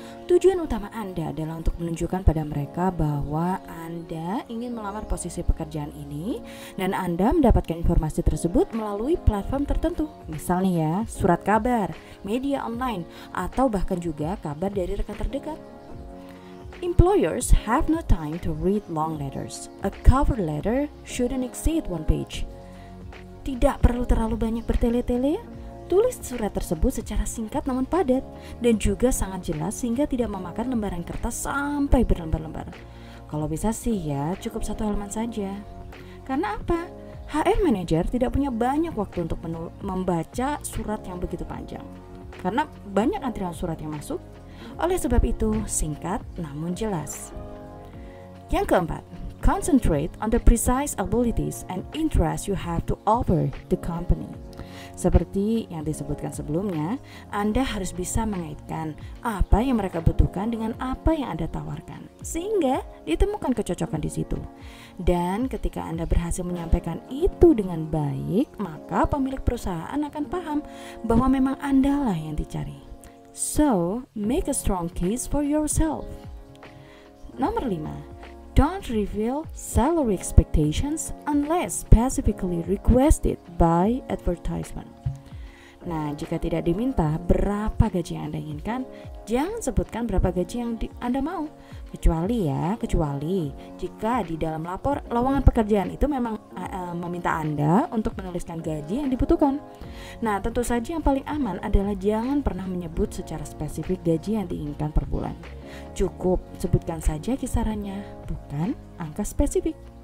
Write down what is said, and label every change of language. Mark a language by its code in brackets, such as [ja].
[id] Tujuan utama Anda adalah untuk menunjukkan pada mereka bahwa Anda ingin melamar posisi pekerjaan ini dan Anda mendapatkan informasi tersebut melalui platform tertentu. Misalnya ya, surat kabar, media online, atau bahkan juga kabar dari rekan terdekat. [en] Employers have no time to read long letters. A cover letter shouldn't exceed one page. [id] Tidak perlu terlalu banyak bertele-tele, tulis surat tersebut secara singkat namun padat dan juga sangat jelas sehingga tidak memakan lembaran kertas sampai berlembar-lembar. Kalau bisa sih ya, cukup satu halaman saja. Karena apa? HR manager tidak punya banyak waktu untuk membaca surat yang begitu panjang. Karena banyak antrian surat yang masuk, oleh sebab itu singkat namun jelas. Yang keempat, [en] concentrate on the precise abilities and interests you have to offer the company. [id] Seperti yang disebutkan sebelumnya, Anda harus bisa mengaitkan apa yang mereka butuhkan dengan apa yang Anda tawarkan, sehingga ditemukan kecocokan di situ. Dan ketika Anda berhasil menyampaikan itu dengan baik, maka pemilik perusahaan akan paham bahwa memang Andalah yang dicari. [en] So, make a strong case for yourself. [id] Nomor 5. [en] Don't reveal salary expectations unless specifically requested by advertisement. [id] Nah, jika tidak diminta berapa gaji yang Anda inginkan, jangan sebutkan berapa gaji yang Anda mau. Kecuali jika di dalam lowongan pekerjaan itu memang meminta Anda untuk menuliskan gaji yang dibutuhkan. Nah, tentu saja yang paling aman adalah jangan pernah menyebut secara spesifik gaji yang diinginkan per bulan. Cukup sebutkan saja kisarannya, bukan angka spesifik.